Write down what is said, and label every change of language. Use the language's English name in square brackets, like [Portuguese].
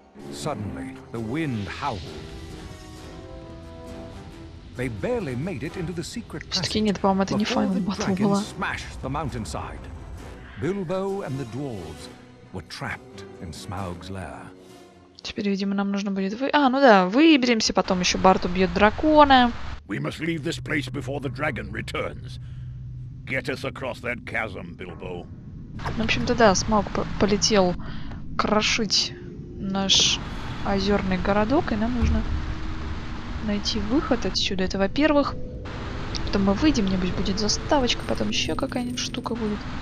[English] Suddenly, the wind howled. They barely made it into the secret passage. Before the dragon smashed the mountainside, Bilbo and the dwarves were trapped in Smaug's lair. [Russian] Теперь, видимо, нам нужно будет вы... А, ну да, выберемся, потом еще Барт убьет дракона. [English] We must leave this place before the dragon returns. Get us across that chasm, Bilbo. [Russian] В общем-то, да, Смаук полетел крошить наш озерный городок, и нам нужно найти выход отсюда. Это, во-первых, потом мы выйдем, где-нибудь будет заставочка, потом еще какая-нибудь штука будет.